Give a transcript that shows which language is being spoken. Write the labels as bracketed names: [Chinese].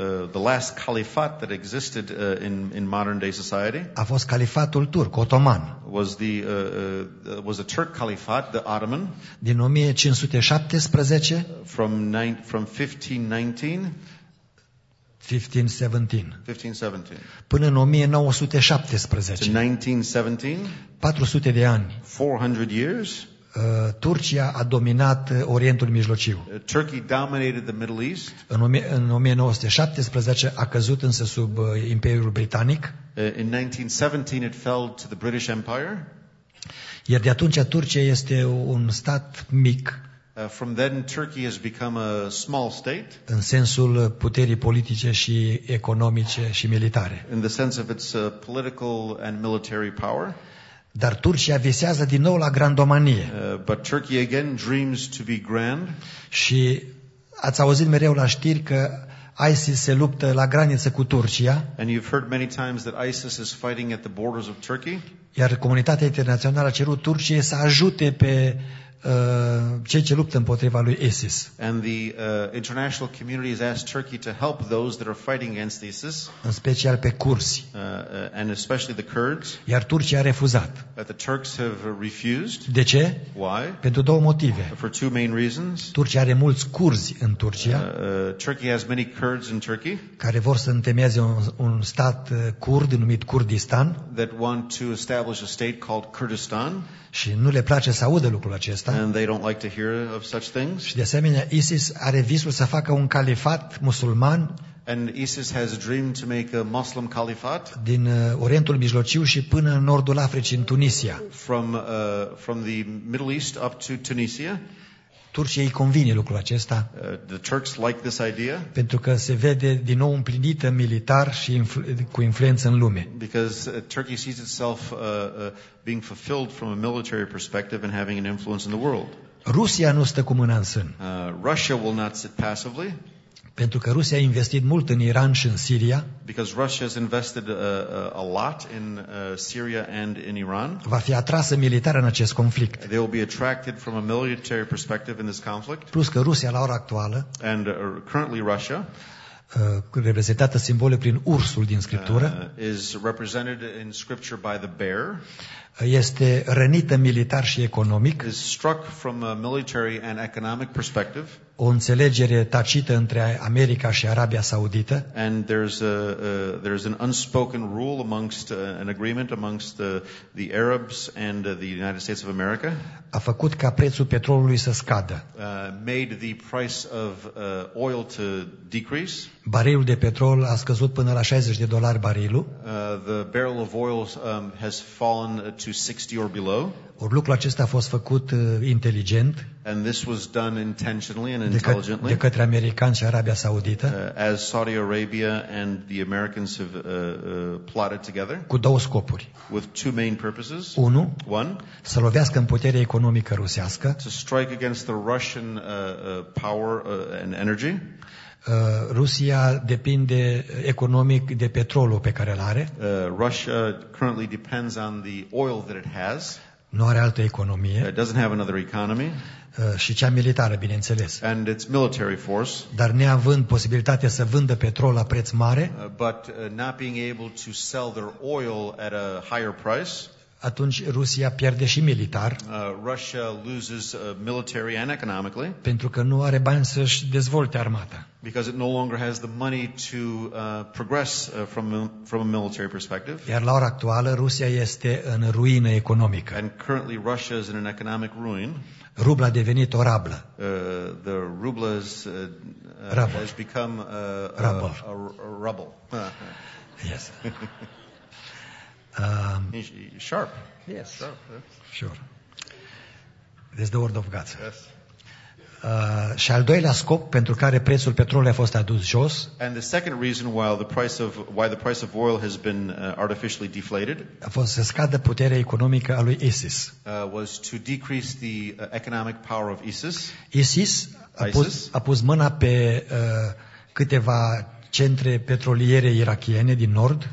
[English] the last caliphate that existed in modern day society, [Romanian] a fost califatul turc otoman. [English] Was a Turk caliphate, the Ottoman, [Romanian] din 1517, [English] from 1517 [Romanian] până în 1917, [English] to 1917, [Romanian] 400 de ani. [English] 400 years. [Romanian] Turcia a dominat Orientul Mijlociu. [English] Turkey dominated the Middle East. [Romanian] În 1917 a căzut însă sub Imperiul Britanic. [English] In 1917 it fell to the British Empire. [Romanian] Iar de atunci Turcia este un stat mic. [English] From then Turkey has become a small state. [Romanian] În sensul puterii politice și economice și militare. [English] In the sense of its political and military power. [Romanian] Dar Turcia visează din nou la grandomanie. [English] But Turkey again dreams to be grand. [Romanian] Și ați auzit mereu la știri că ISIS se luptă la graniță cu Turcia. [English] And you've heard many times that ISIS is fighting at the borders of Turkey. [Romanian] Iar comunitatea internațională a cerut Turciei să ajute pe cei ce luptă împotriva lui ISIS. [English] And the international community has asked Turkey to help those that are fighting against ISIS. [Romanian] În special pe curzi. [English] And especially the Kurds. [Romanian] Iar Turcia a refuzat. [English] But the Turks have refused. [Romanian] De ce? [English] Why? [Romanian] Pentru două motive. [English] For two main reasons. [Romanian] Turcia are mulți curzi în Turcia. [English] Turkey has many Kurds in Turkey. [Romanian] Care vor să întemeieze un stat curd numit Kurdistan. [English] That want to establish a state called Kurdistan. [Romanian] Și nu le place să audă lucrul acesta. [English] And they don't like to hear of such things. [Romanian] Și de asemenea, ISIS are visul să facă un califat musulman. [English] And ISIS has a dream to make a Muslim caliphate. [Romanian] Din Orientul Mijlociu și până în nordul Africii, în Tunisia. [English] From the Middle East up to Tunisia. [Romanian] Turcia îi convine lucrul acesta. [English] The Turks like this idea. [Romanian] Pentru că se vede din nou împlinită militar și cu influență în lume. [English] Because Turkey sees itself being fulfilled from a military perspective and having an influence in the world. [Romanian] Rusia nu stă cu mâna în sân. [English] Russia will not sit passively. [Romanian] Pentru că Rusia a investit mult în Iran și în Siria. [English] Because Russia has invested a lot in Syria and in Iran. [Romanian] Va fi atrasă militar în acest conflict. [English] They will be attracted from a military perspective in this conflict. [Romanian] Plus că Rusia la ora actuală, [English] and currently Russia, [Romanian] reprezentată simbolic prin ursul din Scriptură, [English] is represented in Scripture by the bear, [Romanian] este rănită militar și economic, [English] is struck from a military and economic perspective, [Romanian] o înțelegere tacită între America și Arabia Saudită, [English] and there's an unspoken rule amongst an agreement amongst the Arabs and the United States of America, [Romanian] a făcut ca prețul petrolului să scadă, [English] made the price of oil to decrease, [Romanian] barilul de petrol a scăzut până la $60 barilul, [English] the barrel of oil has fallen to 60 or below. [Romanian] Or lucrul acesta a fost făcut inteligent. [English] And this was done intentionally and intelligently. [Romanian] De către americani și Arabia Saudită. [English] As Saudi Arabia and the Americans have plotted together. [Romanian] Cu două scopuri. [English] With two main purposes. [Romanian] Unu. [English] One. [Romanian] Să lovească în puterea economică rusească. [English] To strike against the Russian power and energy. [Romanian] Rusia depinde economic de petrolul pe care îl are. [English] Russia currently depends on the oil that it has. [Romanian] Nu are altă economie. [English] It doesn't have another economy. [Romanian] Și cea militară, bineînțeles. [English] And its military force. [Romanian] Dar neavând posibilitatea să vândă petrol la preț mare, [English] but not being able to sell their oil at a higher price, [Romanian] atunci Rusia pierde și militar. [English] Russia loses military and economically. [Romanian] Pentru că nu are bani să-și dezvolte armata. [English] Because it no longer has the money to progress from a military perspective. [Romanian] Iar la ora actuală Rusia este în ruină economică. [English] And currently Russia is in an economic ruin. [Romanian] Rubla a devenit o rablă. [English] The ruble has become a rubble. Yes. Sharp. Yes. Sharp, yeah. Sure. This is the word of God. Yes. [Romanian] Și al doilea scop pentru care prețul petrolului a fost adus jos. [English] And the second reason why the price of oil has been artificially deflated. [Romanian] A fost să scadă puterea economică a lui ISIS. [English] Was to decrease the economic power of ISIS. [Romanian] ISIS a pus mâna pe câteva centre petroliere irakiene din nord.